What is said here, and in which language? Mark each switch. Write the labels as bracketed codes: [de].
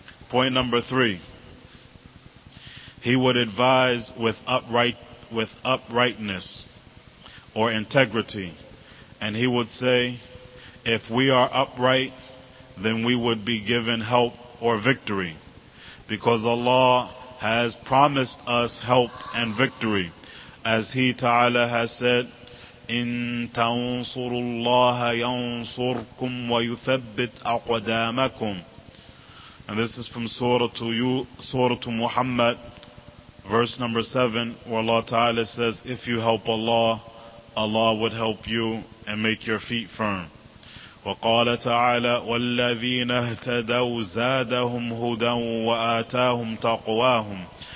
[en] Point number three, he would advise with uprightness or integrity. And he would say, if we are upright, then we would be given help or victory. Because Allah has promised us help and victory. As He Ta'ala has said, [ar] إِن تَنْصُرُ اللَّهَ يَنْصُرْكُمْ وَيُثَبِّتْ أَقْدَامَكُمْ. [en] And this is from Surah Muhammad, verse number 7, where Allah Ta'ala says, if you help Allah, Allah would help you and make your feet firm. [ar] وقال تعالى والذين اهتدوا زادهم هدى وآتاهم تقواهم.